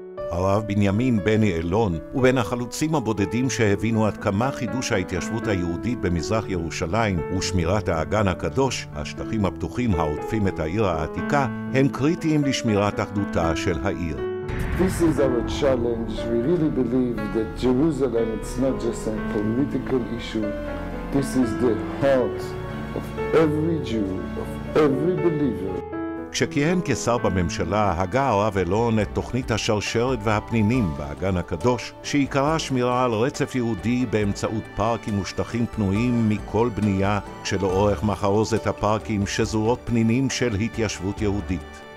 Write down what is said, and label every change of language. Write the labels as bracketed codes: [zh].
[he] הרב בנימין בני אלון הוא בין החלוצים הבודדים שהבינו עד כמה חידוש ההתיישבות היהודית במזרח ירושלים ושמירת האגן הקדוש, השטחים הפתוחים העוטפים את העיר העתיקה, הם קריטיים לשמירת אחדותה של העיר. [en] This is our challenge. We really believe that Jerusalem is not just a political issue. This is the heart of every Jew, of every believer. [he] כשכיהן כשר בממשלה, הגה הרב אלון את תוכנית השרשרת והפנינים באגן הקדוש, שעיקרה שמירה על רצף יהודי באמצעות פארקים ושטחים פנויים מכל בנייה, כשלאורך מחרוזת הפארקים שזורות פנינים של התיישבות יהודית.